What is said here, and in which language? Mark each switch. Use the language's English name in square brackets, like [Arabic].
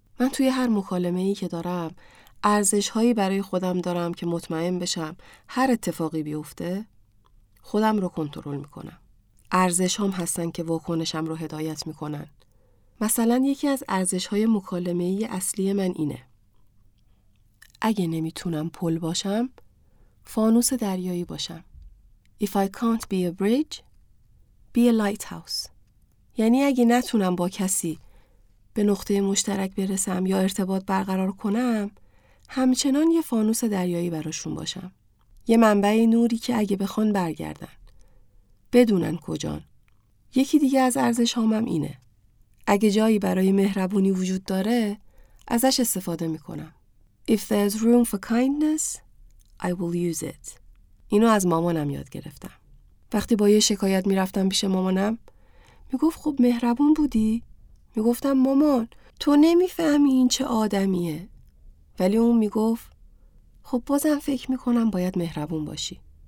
[Persian] من توی هر مکالمه ای که دارم ارزش هایی برای خودم دارم که مطمئن بشم هر اتفاقی بیفته خودم رو کنترل میکنم. ارزش هم هستن که واکنشم رو هدایت میکنن. مثلا یکی از ارزش های مکالمه ای اصلی من اینه: اگه نمیتونم پل باشم، فانوس دریایی باشم. [English] If I can't be a bridge, be a lighthouse. [Persian] یعنی اگه نتونم با کسی به نقطه مشترک برسم یا ارتباط برقرار کنم، همچنان یه فانوس دریایی براشون باشم. یه منبع نوری که اگه بخوان برگردن، بدونن کجان. یکی دیگه از ارزش هامم اینه: اگه جایی برای مهربونی وجود داره، ازش استفاده میکنم. [English] If there's room for kindness, I will use it. [Persian] اینو از مامانم یاد گرفتم. وقتی با یه شکایت میرفتم پیش مامانم، میگفت خب مهربون بودی؟ میگفتم مامان، تو نمیفهمی این چه آدمیه. ولی اون میگفت خب بازم فکر میکنم باید مهربون باشی.